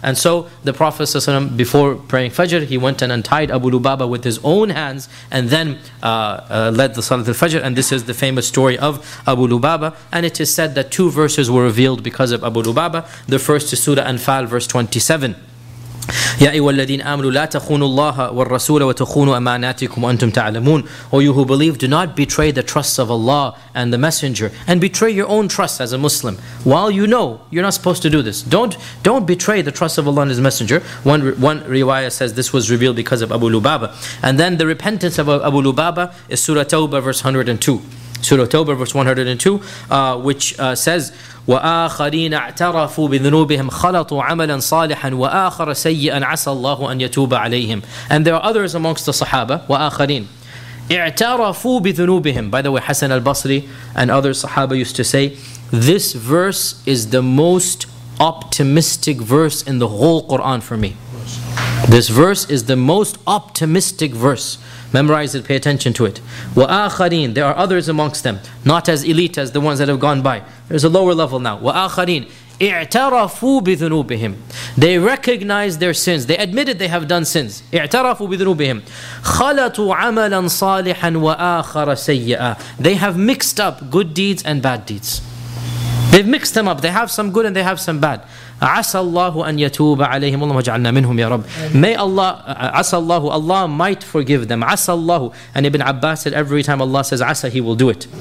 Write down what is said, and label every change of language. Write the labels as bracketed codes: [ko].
[en] And so the Prophet ﷺ, before praying Fajr, he went and untied Abu Lubaba with his own hands and then led the Salat al-Fajr. And this is the famous story of Abu Lubaba. And it is said that two verses were revealed because of Abu Lubaba. The first is Surah Anfal, verse 27. [ar] يا أيها الذين آمنوا لا تخونوا الله والرسول وتخونوا أماناتكم وأنتم تعلمون. [en] O you who believe, do not betray the trust of Allah and the Messenger, and betray your own trust as a Muslim. While you know you're not supposed to do this, don't betray the trust of Allah and His Messenger. One riwayah says this was revealed because of Abu Lubaba. And then the repentance of Abu Lubaba is Surah Tawbah, verse 102. Surah Tawbah, verse 102, which says, [ar] وَآخَرِينَ اَعْتَرَفُوا بِذْنُوبِهِمْ خَلَطُوا عَمَلًا صَالِحًا وَآخَرَ سَيِّئًا عَسَى اللَّهُ أَنْ يَتُوبَ عَلَيْهِمْ. [en] And there are others amongst the Sahaba, [ar] وَآخَرِينَ اَعْتَرَفُوا بِذْنُوبِهِمْ. [en] By the way, Hassan al-Basri and other Sahaba used to say, this verse is the most optimistic verse in the whole Quran for me. This verse is the most optimistic verse. Memorize it, pay attention to it. وآخرين, there are others amongst them, not as elite as the ones that have gone by. There's a lower level now. [ar] وآخرين, اعترفوا بذنوبهم. [en] They recognize their sins. They admitted they have done sins. [ar] اعترفوا بذنوبهم. خلطوا عملا صالحا وآخر سيئا. [en] They have mixed up good deeds and bad deeds. They've mixed them up. They have some good and they have some bad. [ar] عَسَى اللَّهُ أَنْ يَتُوبَ عَلَيْهِمْ وَاللَّهُ جَعَلْنَا مِنْهُمْ يَا رَبِّ. [en] May Allah, [ar] عَسَى اللَّهُ, [en] Allah might forgive them. [ar] عَسَى اللَّهُ. [en] And Ibn Abbas said every time Allah says عَسَى, He will do it.